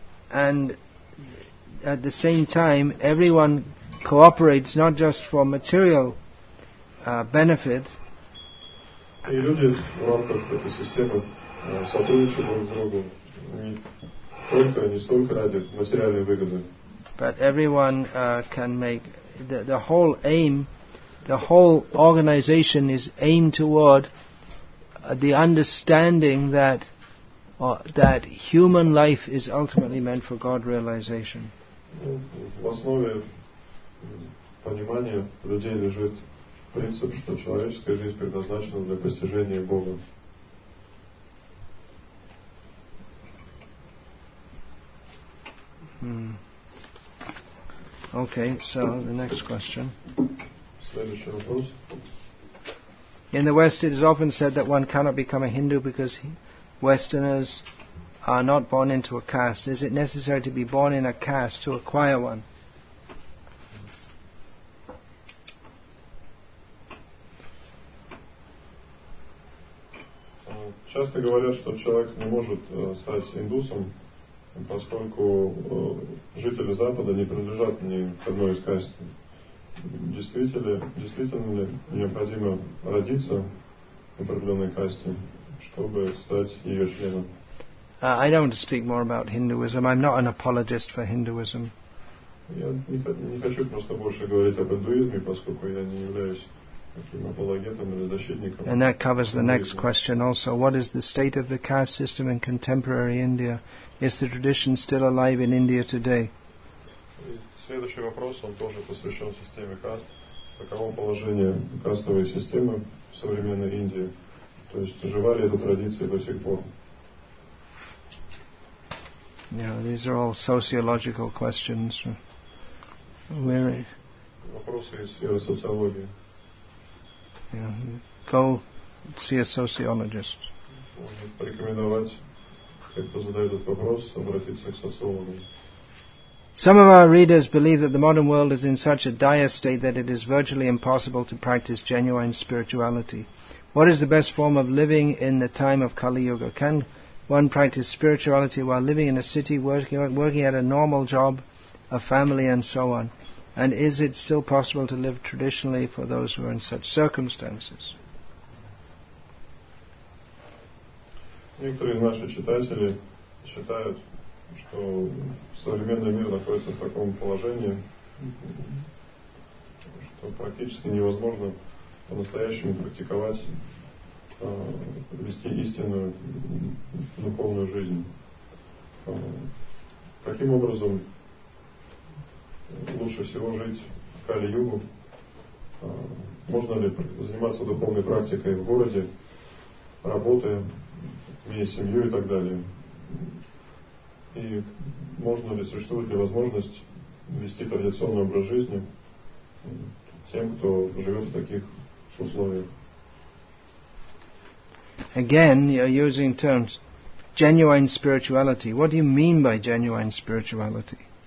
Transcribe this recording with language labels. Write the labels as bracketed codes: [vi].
[en] And at the same time, everyone cooperates not just for material benefit. [ru] И люди в рамках этой системы сотрудничают друг с другом не столько ради материальной выгоды. [en] But everyone can make the whole aim. The whole organization is aimed toward the understanding that that human life is ultimately meant for God realization. [ru] В основе понимания людей лежит принцип, что человеческая жизнь предназначена для постижения Бога. [en] Okay, so the next question. [ru] Следующий вопрос. [en] In the West, it is often said that one cannot become a Hindu because Westerners are not born into a caste. Is it necessary to be born in a caste to acquire one? [ru] Часто говорят, что человек не может стать индусом, поскольку жители Запада не принадлежат ни к одной из каст. Действительно ли необходимо родиться в определенной касте, чтобы стать ее членом? [en] I don't want to speak more about Hinduism. I'm not an apologist for Hinduism. [ru] Я не хочу просто больше говорить об индуизме, поскольку я не являюсь таким апологетом или защитником. [en] And that covers the next question also. What is the state of the caste system in contemporary India? Is the tradition still alive in India today? [ru] Следующий вопрос, он тоже посвящен системе каст. Каково положение кастовой системы в современной Индии? То есть, жива ли эта традиция до сих пор? [en] Yeah, these are all sociological questions. Where... [ru] Вопросы из сферы социологии. [en] Yeah. Go see a sociologist. [ru] Порекомендовать, кто задает этот вопрос, обратиться к социологу. [en] Some of our readers believe that the modern world is in such a dire state that it is virtually impossible to practice genuine spirituality. What is the best form of living in the time of Kali Yuga? Can one practice spirituality while living in a city, working at a normal job, a family, and so on? And is it still possible to live traditionally for those who are in such circumstances? [ru] Некоторые из наших читателей считают, что современный мир находится в таком положении, что практически невозможно по-настоящему практиковать, вести истинную духовную жизнь. Каким образом лучше всего жить в Кали-Югу? Можно ли заниматься духовной практикой в городе, работая, имея семью и так далее? И можно ли, существует ли возможность вести традиционный образ жизни тем, кто живет в таких условиях? [en] Again, you're using terms, genuine spirituality. What do you mean by genuine spirituality?